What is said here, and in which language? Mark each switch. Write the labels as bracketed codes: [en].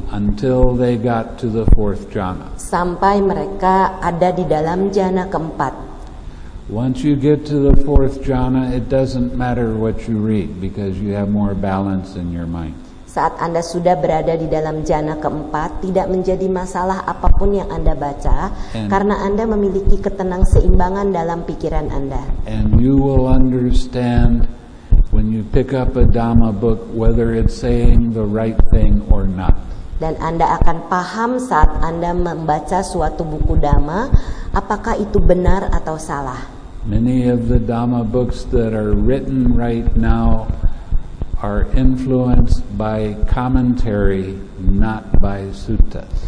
[en] until they got to the fourth jhana. [id] Sampai mereka ada di dalam jhana keempat. [en] Once you get to the fourth jhana, it doesn't matter what you read because you have more balance in your mind. [id] Saat Anda sudah berada di dalam jhana keempat, tidak menjadi masalah apapun yang Anda baca, karena Anda memiliki ketenang seimbangan dalam pikiran Anda. [en] And you will understand when you pick up a Dhamma book whether it's saying the right thing or not. [id] Dan Anda akan paham saat Anda membaca suatu buku Dhamma, apakah itu benar atau salah. [en] Many of the Dhamma books that are written right now are influenced by commentary, not by sutta.